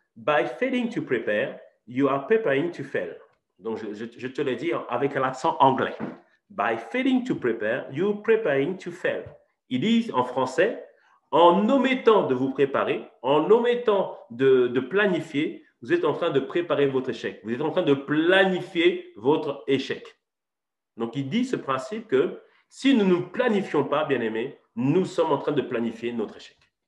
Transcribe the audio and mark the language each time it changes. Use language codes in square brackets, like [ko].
[en] By failing to prepare, you are preparing to fail. [fr] Donc, je te le dis avec l'accent anglais. [en] By failing to prepare, you are preparing to fail. [fr] Ils disent en français, en omettant de vous préparer, en omettant de planifier, vous êtes en train de préparer votre échec. Vous êtes en train de planifier votre échec. Donc, il dit ce principe que si nous ne nous planifions pas, bien-aimés, nous sommes en train de planifier notre échec.